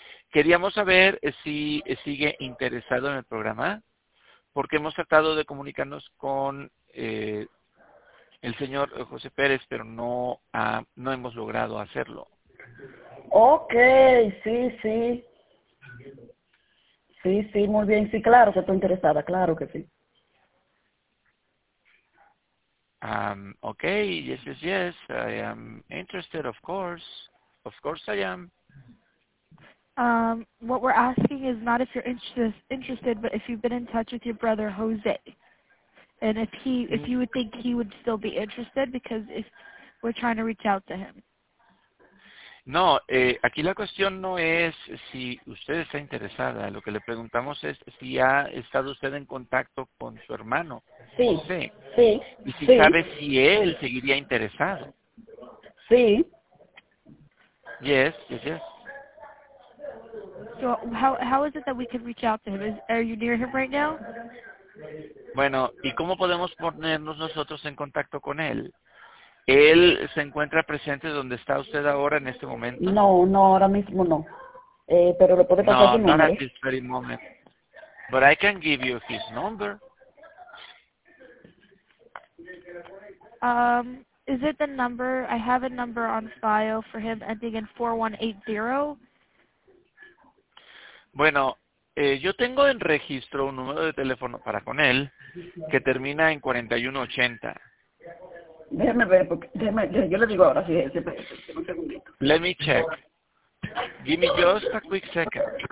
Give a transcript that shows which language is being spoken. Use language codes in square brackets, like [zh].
[es] Queríamos saber si sigue interesado en el programa, porque hemos tratado de comunicarnos con el señor José Pérez, pero no hemos logrado hacerlo. Okay, sí. Sí, muy bien. Sí, claro que estoy interesada, claro que sí. [en] Okay, yes, I am interested, of course I am. What we're asking is not if you're interested, but if you've been in touch with your brother, Jose, and if you would think he would still be interested, because if we're trying to reach out to him. [es] No, aquí la cuestión no es si usted está interesada, lo que le preguntamos es si ha estado usted en contacto con su hermano. Sí. Y si sabe si él seguiría interesado. Sí. [en] Yes. So how is it that we can reach out to him? Are you near him right now? [es] Bueno, ¿y cómo podemos ponernos nosotros en contacto con él? ¿Él se encuentra presente donde está usted ahora en este momento? No, ahora mismo no. Pero le puede pasar su nombre. [en] No, not at this very moment. But I can give you his number. Is it the number? I have a number on file for him ending in 4180. [es] Bueno, yo tengo en registro un número de teléfono para con él que termina en 4180. Déjame ver, yo le digo ahora, sí, un segundito. [en] Let me check. Give me just a quick second.